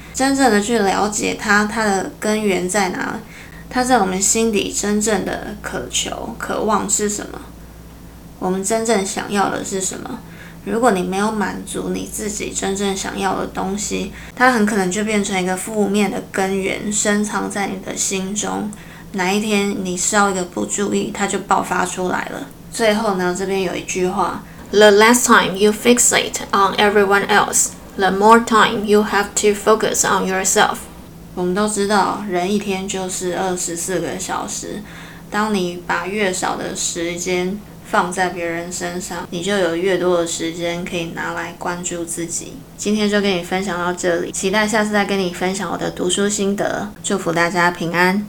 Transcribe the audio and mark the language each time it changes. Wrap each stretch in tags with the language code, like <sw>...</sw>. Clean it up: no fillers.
<zh>真正的去了解它的根源在哪，它在我们心底真正的渴求、渴望是什么，我们真正想要的是什么。如果你没有满足你自己真正想要的东西，它很可能就变成一个负面的根源，深藏在你的心中，哪一天你稍一个不注意，它就爆发出来了。最后呢，这边有一句话，</zh> <en>The less time you fixate on everyone else, the more time you have to focus on yourself.</en> <zh>我们都知道，人一天就是24个小时，当你把越少的时间放在别人身上，你就有越多的时间可以拿来关注自己。今天就跟你分享到这里，期待下次再跟你分享我的读书心得。祝福大家平安。</zh>